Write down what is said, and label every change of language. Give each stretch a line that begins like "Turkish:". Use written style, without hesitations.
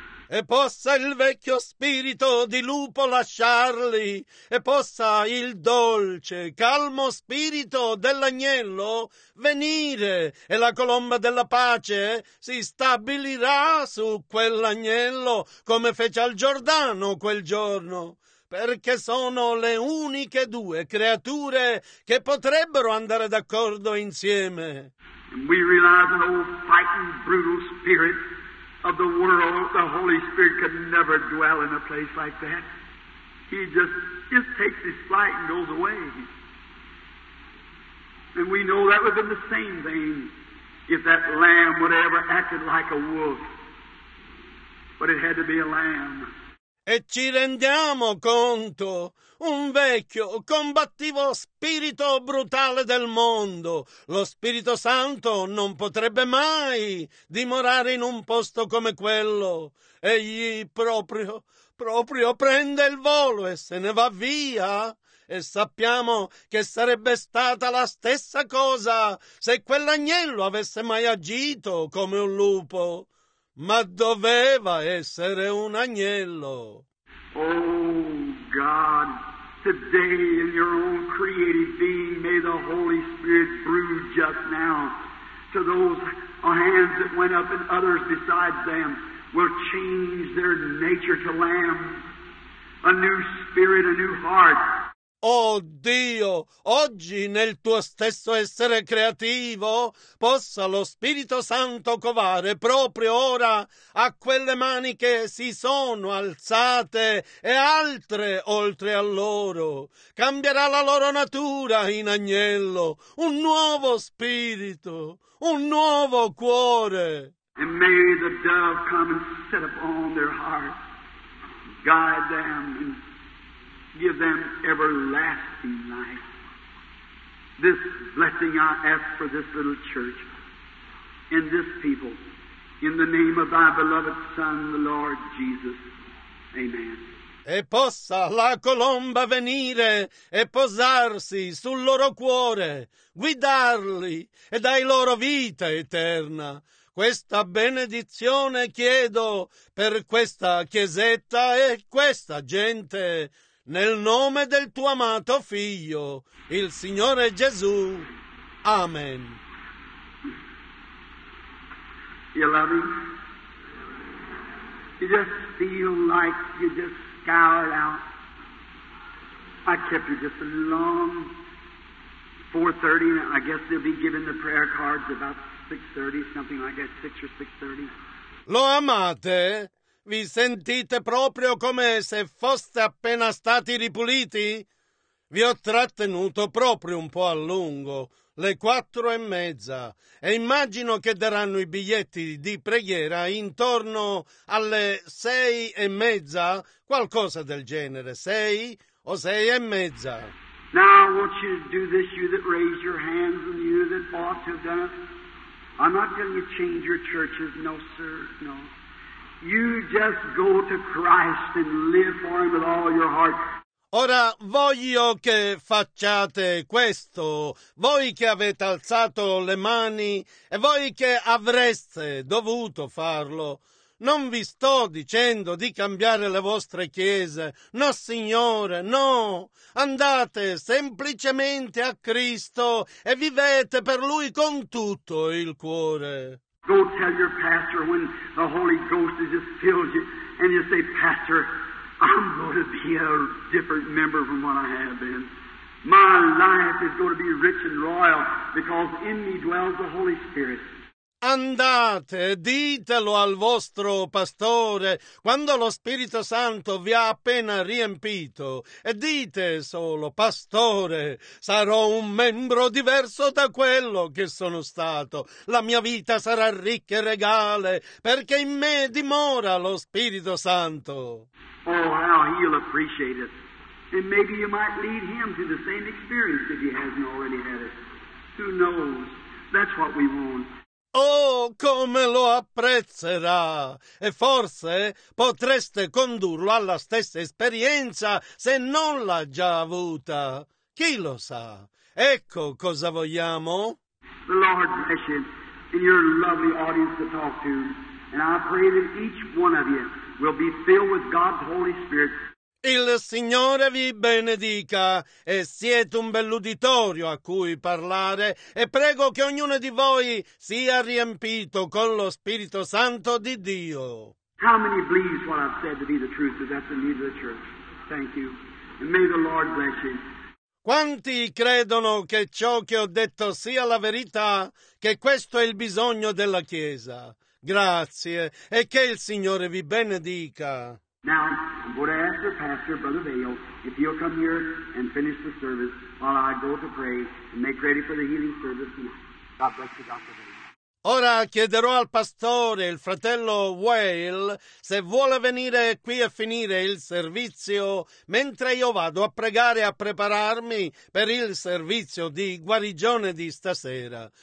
Italian: E possa il vecchio spirito di lupo lasciarli, e possa il dolce, calmo spirito dell'agnello venire, e la colomba della pace si stabilirà su quell'agnello, come fece al Giordano quel giorno, perché sono le uniche due creature che potrebbero andare d'accordo insieme.
English: And we realize an old fighting, brutal spirit of the world, the Holy Spirit could never dwell in a place like that. He just takes his flight and goes away. And we know that would have been the same thing if that lamb would have ever acted like a wolf. But it had to be a lamb.
Italian: E ci rendiamo conto, un vecchio, combattivo spirito brutale del mondo. Lo Spirito Santo non potrebbe mai dimorare in un posto come quello. Egli proprio prende il volo e se ne va via. E sappiamo che sarebbe stata la stessa cosa se quell'agnello avesse mai agito come un lupo. Ma doveva essere un agnello.
English: Oh God, today in your own creative being, may the Holy Spirit brood just now to those hands that went up and others besides them will change their nature to lambs, a new spirit, a new heart.
Italian: Oh Dio, oggi nel tuo stesso essere creativo possa lo Spirito Santo covare proprio ora a quelle mani che si sono alzate e altre oltre a loro. Cambierà la loro natura in agnello, un nuovo spirito, un nuovo cuore.
English: And may the dove come and sit upon their heart, guide them and give them everlasting life. This blessing I ask for this little church and this people in the name of thy beloved Son, the Lord Jesus. Amen.
Italian: E possa la colomba venire e posarsi sul loro cuore, guidarli e dai loro vita eterna. Questa benedizione chiedo per questa chiesetta e questa gente. Nel nome del tuo amato figlio, il Signore Gesù. Amen.
English: You love him? You just feel like you just scoured out. I kept you just a long 4:30, and I guess they'll be giving the prayer cards about 6:30, something like that, 6 or 6:30.
Italian: Lo amate? Vi sentite proprio come se foste appena stati ripuliti? Vi ho trattenuto proprio un po' a lungo, 4:30, e immagino che daranno i biglietti di preghiera intorno alle 6:30, qualcosa del genere, 6 o 6:30.
English: Now I want you to do this, you that raise your hands and you that ought to have done it. I'm not telling you to change your churches, no sir, no. You just go to Christ and live for him with all your heart.
Italian: Ora voglio che facciate questo, voi che avete alzato le mani e voi che avreste dovuto farlo. Non vi sto dicendo di cambiare le vostre chiese, no signore, no. Andate semplicemente a Cristo e vivete per lui con tutto il cuore.
English: Go tell your pastor when the Holy Ghost just fills you and you say, Pastor, I'm going to be a different member from what I have been. My life is going to be rich and royal because in me dwells the Holy Spirit.
Italian: Andate, ditelo al vostro pastore quando lo Spirito Santo vi ha appena riempito e dite solo, pastore, sarò un membro diverso da quello che sono stato. La mia vita sarà ricca e regale perché in me dimora lo Spirito Santo.
English: Oh, how he'll appreciate it. And maybe you might lead him to the same experience if he hasn't already had it. Who knows? That's what we want.
Italian: Oh, come lo apprezzerà! E forse potreste condurlo alla stessa esperienza se non l'ha già avuta. Chi lo sa? Ecco cosa vogliamo.
English: The Lord bless you and your lovely audience to talk to. And I pray that each one of you will be filled with God's Holy Spirit.
Italian: Il Signore vi benedica e siete un bell'uditorio a cui parlare e prego che ognuno di voi sia riempito con lo Spirito Santo di Dio.
English: How many believe what I've said to be the truth, that that's the need of the church? Thank you. And may the Lord bless you.
Italian: Quanti credono che ciò che ho detto sia la verità, che questo è il bisogno della Chiesa? Grazie e che il Signore vi benedica.
English: Now, I'm going to ask your pastor, Brother Vale, if he'll come here and finish the service while I go to pray and make ready for the healing service tonight. God bless you, Dr. Vale.
Italian: Ora chiederò al pastore, il fratello Whale, se vuole venire qui a finire il servizio mentre io vado a pregare e a prepararmi per il servizio di guarigione di stasera.